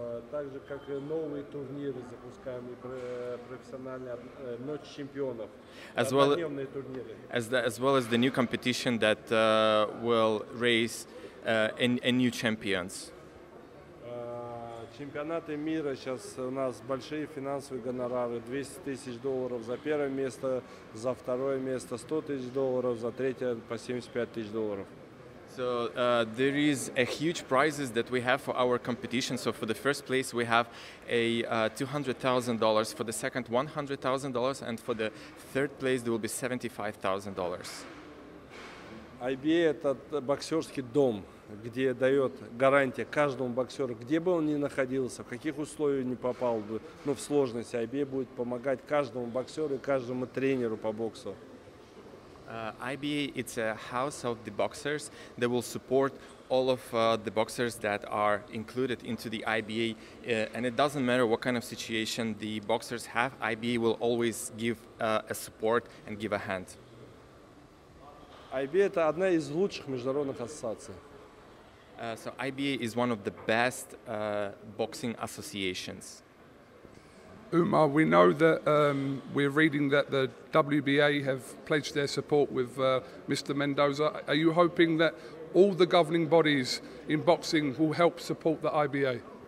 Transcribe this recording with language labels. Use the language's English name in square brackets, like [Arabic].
[Russian] Также как новые турниры запускаем и профессиональные ночь чемпионов, однодневные турниры. [English] As well as the new competition that will raise a new champions. [Russian] Чемпионаты мира сейчас у нас большие финансовые гонорары, 200 тысяч долларов за первое место, за второе место 100 тысяч долларов, за третье по 75 тысяч долларов. [English] So there is a huge prizes that we have for our competition. So for the first place, we have a $200,000. For the second, $100,000. And for the third place, there will be $75,000. [Russian] IBA – это боксерский дом, где дает гарантия каждому боксеру, где бы он ни находился, в каких условиях ни попал бы, но в сложности. IBA будет помогать каждому боксеру и каждому тренеру по боксу. [English] IBA, it's a house of the boxers that will support all of the boxers that are included into the IBA. And it doesn't matter what kind of situation the boxers have, IBA will always give a support and give a hand. [Russian] IBA – это одна из лучших международных ассоциаций. [English] So IBA is one of the best boxing associations. Umar, we know that we're reading that the WBA have pledged their support with Mr. Mendoza. Are you hoping that all the governing bodies in boxing will help support the IBA?